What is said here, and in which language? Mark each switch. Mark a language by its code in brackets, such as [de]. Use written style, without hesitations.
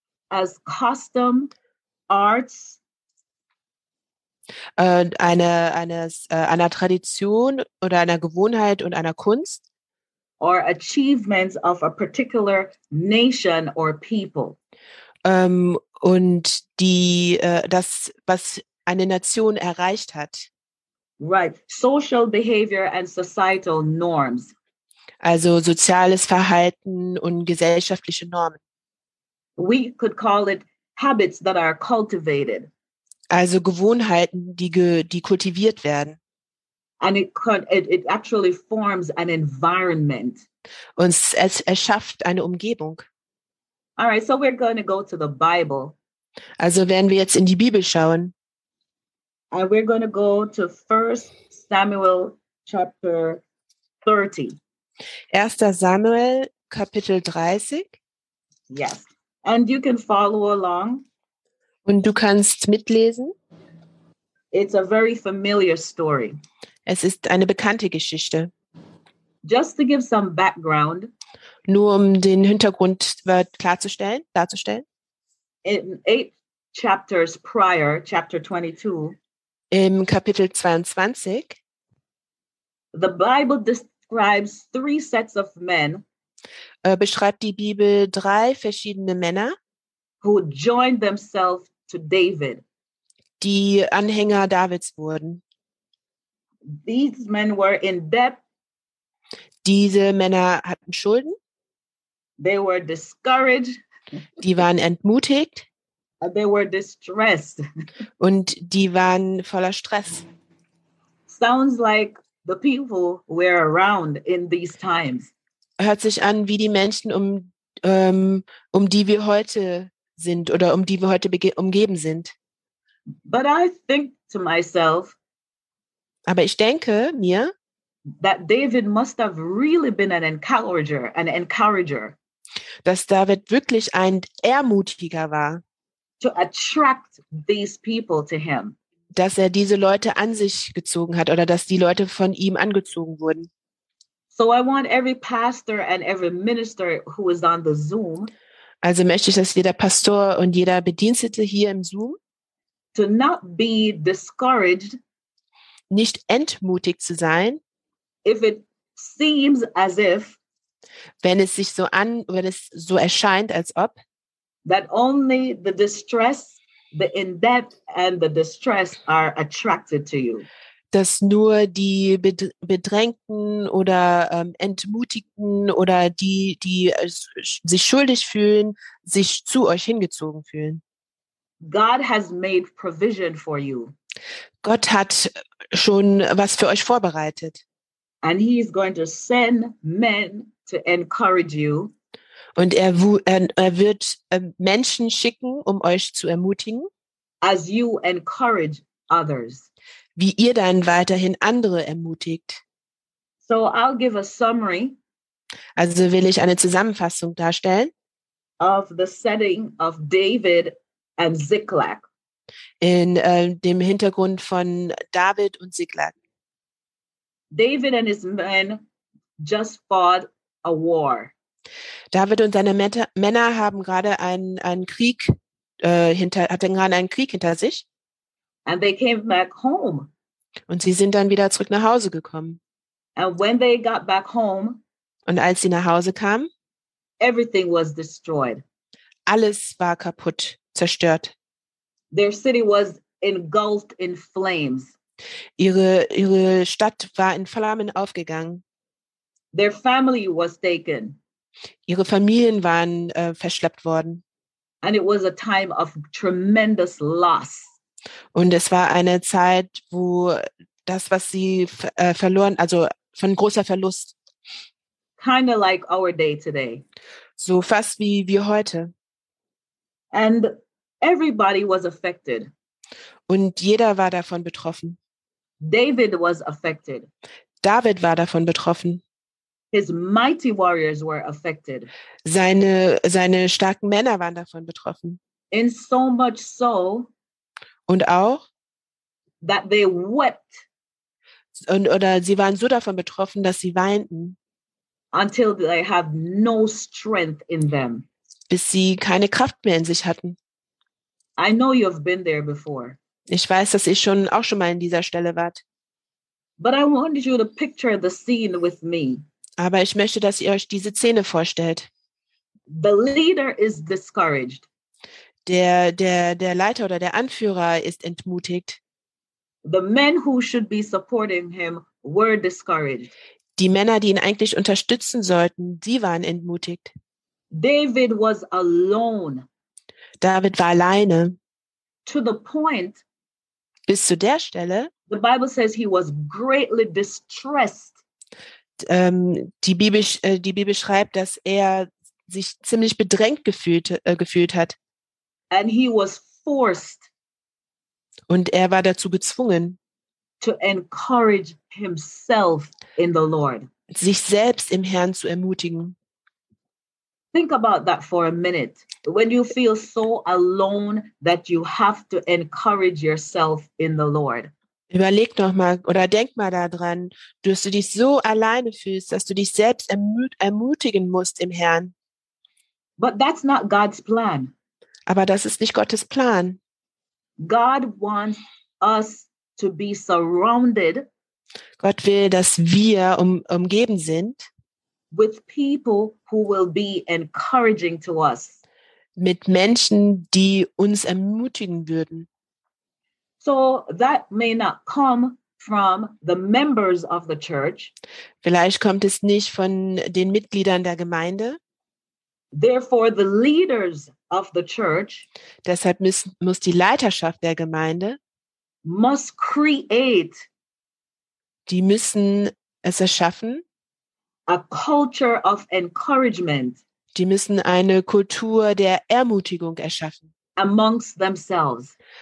[en] As custom, arts. [de] Einer Tradition oder einer Gewohnheit und einer Kunst. [en] Or achievements of a particular nation or people. [de] Und die das, was eine Nation erreicht hat. [en] Right. Social behavior and societal norms. [de] Also soziales Verhalten und gesellschaftliche Normen. [en] We could call it habits that are cultivated. [de] Also Gewohnheiten, die kultiviert werden. [en] And it actually forms an environment. [de] Und es erschafft eine Umgebung. [en] All right, so we're going to go to the Bible. [de] Also werden wir jetzt in die Bibel schauen. [en] And we're going to go to 1 Samuel chapter 30. [de] 1. Samuel Kapitel 30. [en] Yes, and you can follow along. [de] Und du kannst mitlesen. [en] It's a very familiar story. [de] Es ist eine bekannte Geschichte. [en] Just to give some background. [de] Nur um den Hintergrund klarzustellen. [en] In 8 chapters prior, chapter 22, [de] im Kapitel 22, [en] the Bible describes three sets of men, [de] beschreibt die Bibel drei verschiedene Männer, [en] who joined themselves to David, [de] die Anhänger Davids wurden. [en] These men were in debt. [de] Diese Männer hatten Schulden. [en] They were discouraged. [de] Die waren entmutigt. [en] And they were distressed. [de] Und die waren voller Stress. [en] Sounds like the people were around in these times. [de] Hört sich an wie die Menschen, um die wir heute sind oder um die wir heute umgeben sind. [en] But I think to myself, [de] aber ich denke mir, [en] that David must have really been an encourager. [de] Dass David wirklich ein Ermutiger war. [en] To attract these people to him. [de] Dass er diese Leute an sich gezogen hat oder dass die Leute von ihm angezogen wurden. [en] So I want every pastor and every minister who is on the Zoom. [de] Also möchte ich, dass jeder Pastor und jeder Bedienstete hier im Zoom [en] to not be discouraged, [de] nicht entmutigt zu sein, [en] if it seems as if, [de] wenn es sich so an, wenn es so erscheint, als ob, [en] that only the distress, the in debt and the distress are attracted to you. [de] Dass nur die Bedrängten oder Entmutigten oder die sich schuldig fühlen, sich zu euch hingezogen fühlen. [en] God has made provision for you. [de] Gott hat schon was für euch vorbereitet. [en] And he is going to send men to encourage you. [de] Und er wird Menschen schicken, um euch zu ermutigen. [en] As you encourage others. [de] Wie ihr dann weiterhin andere ermutigt. [en] So I'll give a summary. [de] Also will ich eine Zusammenfassung darstellen. [en] Of the setting of David and Ziklag. [de] In dem Hintergrund von David und Ziklag. [en] David and his men just fought a war. [de] David und seine Männer haben gerade einen Krieg hinter sich. [en] And they came back home. [de] Und sie sind dann wieder zurück nach Hause gekommen. [en] And when they got back home, [de] und als sie nach Hause kamen, [en] everything was destroyed. [de] Alles war kaputt, zerstört. [en] Their city was engulfed in flames. [de] Ihre Stadt war in Flammen aufgegangen. [en] Their family was taken. [de] Ihre Familien waren verschleppt worden. [en] And it was a time of tremendous loss. [de] Und es war eine Zeit, wo das, was sie verloren, also von großer Verlust. [en] Kind of like our day today. [de] So fast wie wir heute. [en] And everybody was affected. [de] Und jeder war davon betroffen. [en] David was affected. [de] David war davon betroffen. [en] His mighty warriors were affected. [de] Seine starken Männer waren davon betroffen. [en] In so much so, [de] und auch, [en] that they wept. [de] Und oder sie waren so davon betroffen, dass sie weinten. [en] Until they have no strength in them. [de] Bis sie keine Kraft mehr in sich hatten. [en] I know you have been there before. [de] Ich weiß, dass ich auch schon mal in dieser Stelle war. [en] But I want you to picture the scene with me. [de] Aber ich möchte, dass ihr euch diese Szene vorstellt. [en] The leader is discouraged. [de] Der Leiter oder der Anführer ist entmutigt. [en] The men who should be supporting him were discouraged. [de] Die Männer, die ihn eigentlich unterstützen sollten, die waren entmutigt. [en] David was alone. [de] David war alleine. [en] To the point, [de] bis zu der Stelle, [en] the Bible says he was greatly distressed. [de] Die Bibel schreibt, dass er sich ziemlich bedrängt gefühlt hat. [en] And he was forced. [de] Und er war dazu gezwungen, [en] to encourage himself in the Lord. [de] Sich selbst im Herrn zu ermutigen. [en] Think about that for a minute. When you feel so alone that you have to encourage yourself in the Lord. [de] Überleg noch mal oder denk mal daran, dass du dich so alleine fühlst, dass du dich selbst ermutigen musst im Herrn. [en] But that's not God's plan. [de] Aber das ist nicht Gottes Plan. [en] God wants us to be surrounded. [de] Gott will, dass wir umgeben sind. [en] With people who will be encouraging to us. [de] Mit Menschen, die uns ermutigen würden. [en] So that may not come from the members of the church. [de] Vielleicht kommt es nicht von den Mitgliedern der Gemeinde. [en] Therefore, the leaders of the church. [de] Deshalb muss die Leiterschaft der Gemeinde. [en] Must create. [de] Die müssen es erschaffen. [en] A culture of encouragement. [de] Die müssen eine Kultur der Ermutigung erschaffen. [en] Amongst themselves.